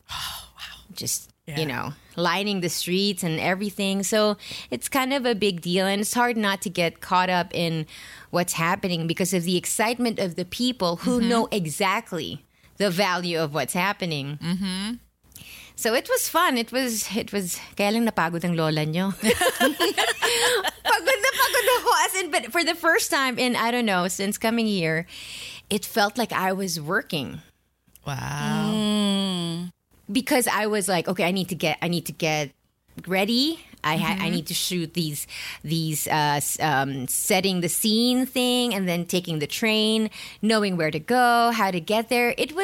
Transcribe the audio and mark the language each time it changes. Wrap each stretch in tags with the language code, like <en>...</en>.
<en>Oh, wow. Just, you know, lining the streets and everything. So it's kind of a big deal. And it's hard not to get caught up in what's happening because of the excitement of the people who know exactly the value of what's happening. Mm-hmm. So it was fun. It was.</en> <tl>Kaya lang napagod ang lola nyo. Pagod na pagod ako.</tl> <en>As in, but for the first time in, I don't know, since coming here, it felt like I was working. Wow. Mm. Because I was like, okay, I need to get ready. I need to shoot these setting the scene thing, and then taking the train, knowing where to go, how to get there.</en>